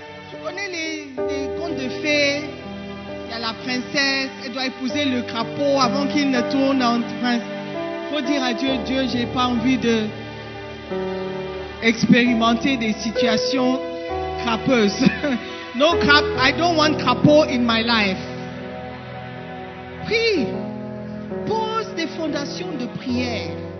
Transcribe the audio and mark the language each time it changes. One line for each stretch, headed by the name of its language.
French: Tu connais les contes de fées? Il y a la princesse, elle doit épouser le crapaud avant qu'il ne tourne en prince. Il faut dire à Dieu, Dieu, j'ai pas envie de expérimenter des situations crapeuses.
English: No crap, I don't want crapaud in my life.
French: Prie. Pose des fondations de prière.